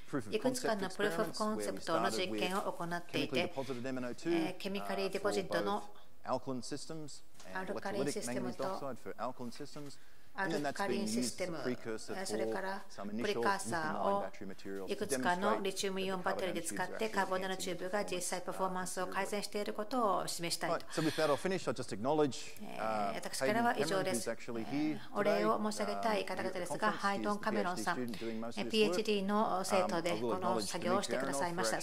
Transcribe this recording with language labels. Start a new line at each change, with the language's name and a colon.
Japanese: いくつかのプルーフ・オブ・コンセプトの実験を行っていて、ケミカリーデポジットの
English: Alkaline systems and electrolytic manganese dioxide for alkaline systems, and then that's being used as a precursor for some initial lithium-ion battery material.
Japanese: いくつかのリチウムイオンバッテリーで使ってカーボンナノチューブが実際パフォーマンスを改善していることを示したいと。
English: So with that, I'll finish. I'll just acknowledge.
Japanese: 私からは以上です。お礼を申し上げたい方々ですが、ハイドン・カメロンさん、PhD の生徒でこの作業をしてくださいました。